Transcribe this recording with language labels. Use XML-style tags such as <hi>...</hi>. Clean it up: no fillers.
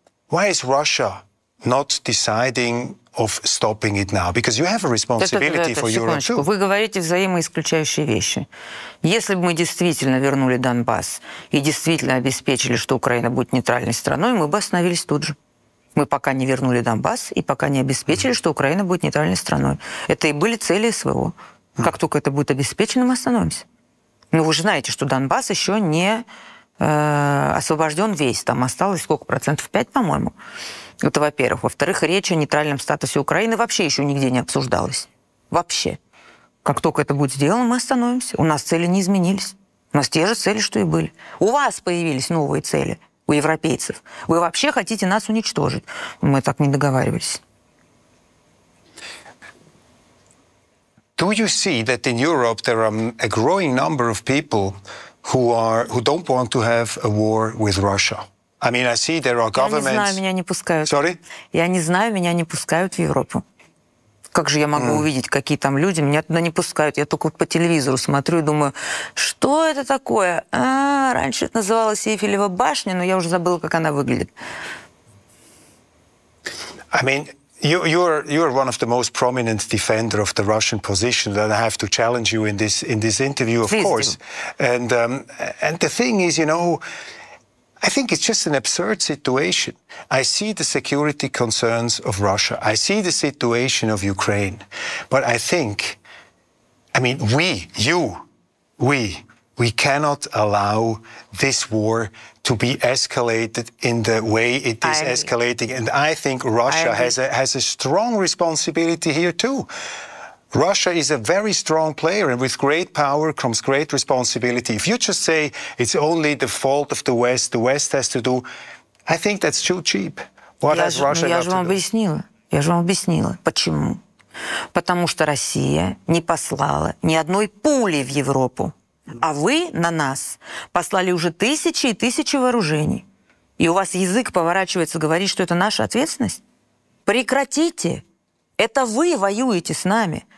<en>Why is Russia not deciding of stopping it now, because you have a responsibility for Europe too.</en> <ru>Вы говорите взаимоисключающие вещи. Если бы мы действительно вернули Донбасс и действительно обеспечили, что Украина будет нейтральной страной, мы бы остановились тут же. Мы пока не вернули Донбасс и пока не обеспечили, что Украина будет нейтральной страной. Это и были цели СВО. Как только это будет обеспечено, мы остановимся. Но вы же знаете, что Донбасс еще не освобожден весь. Там осталось сколько процентов? 5, по-моему. Это во-первых. Во-вторых, речь о нейтральном статусе Украины вообще еще нигде не обсуждалась. Вообще. Как только это будет сделано, мы остановимся. У нас цели не изменились. У нас те же цели, что и были. У вас появились новые цели, у европейцев. Вы вообще хотите нас уничтожить. Мы так не договаривались.</ru> <en>Do you see that in Europe there are a growing number of people who don't want to have a war with Russia? I mean, I see there are governments...</en> <ru>Я не знаю, меня не пускают.</ru> <en>Sorry?</en> <ru>Я не знаю, меня не пускают в Европу. Как же я могу увидеть, какие там люди? Меня туда не пускают. Я только вот по телевизору смотрю и думаю, что это такое? Раньше это называлось Эйфелева башня, но я уже забыла, как она выглядит.</ru> <en>I mean, you're one of the most prominent defender of the Russian position, and I have to challenge you in this interview, of course. And the thing is, you know, I think it's just an absurd situation. I see the security concerns of Russia. I see the situation of Ukraine. But I think, I mean, we cannot allow this war to be escalated in the way it is escalating. And I think Russia has a strong responsibility here too. Russia is a very strong player, and with great power comes great responsibility. If you just say it's only the fault of the West has to do, I think that's too cheap. What has Russia got to do?</en> <ru>Я же вам объяснила. Почему? Потому что Россия не послала ни одной пули в Европу, а вы на нас послали уже тысячи и тысячи вооружений. И у вас язык поворачивается говорить, что это наша ответственность? Прекратите! Это вы воюете с нами.</ru>